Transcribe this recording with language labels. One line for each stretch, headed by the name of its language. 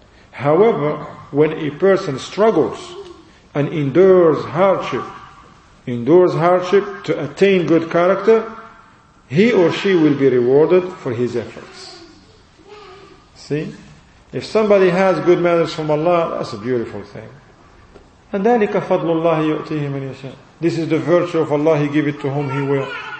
English: However, when a person struggles and endures hardship to attain good character, he or she will be rewarded for his efforts. See? If somebody has good manners from Allah, that's a beautiful thing.
Arabic: And ذَلِكَ فَضْلُ اللَّهِ يُؤْتِيهِ مَنْ يَشَاءُ.
English: This is the virtue of Allah, He give it to whom He will.